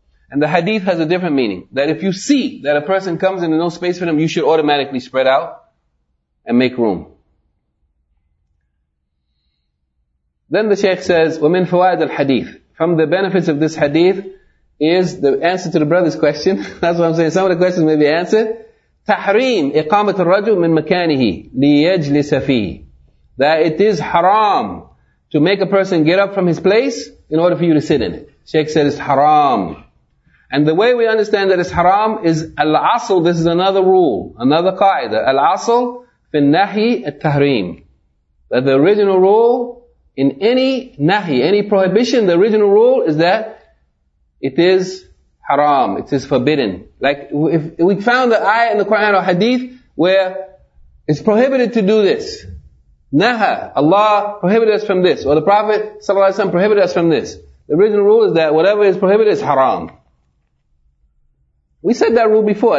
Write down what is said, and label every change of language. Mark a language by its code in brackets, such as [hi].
[en] And the hadith has a different meaning. That if you see that a person comes and there's no space for them, you should automatically spread out and make room. Then the Shaykh says, [ar] وَمِنْ فَوَائِدِ الْحَدِيثِ. [en] From the benefits of this hadith is the answer to the brother's question. That's what I'm saying. Some of the questions may be answered. [ar] تحريم إقامة الرجل من مكانه ليجلس فيه. [en] That it is haram to make a person get up from his place in order for you to sit in it. Sheikh said it's haram. And the way we understand that it's haram is al-asl. This is another rule, another qaida. [ar] Al-asl في النهي التحريم. [en] That the original rule in any nahi, any prohibition, the original rule is that it is haram, it is forbidden. Like if we found the ayah in the Quran or hadith where it's prohibited to do this, naha, Allah prohibited us from this, or the Prophet ﷺ prohibited us from this. The original rule is that whatever is prohibited is haram. We said that rule before.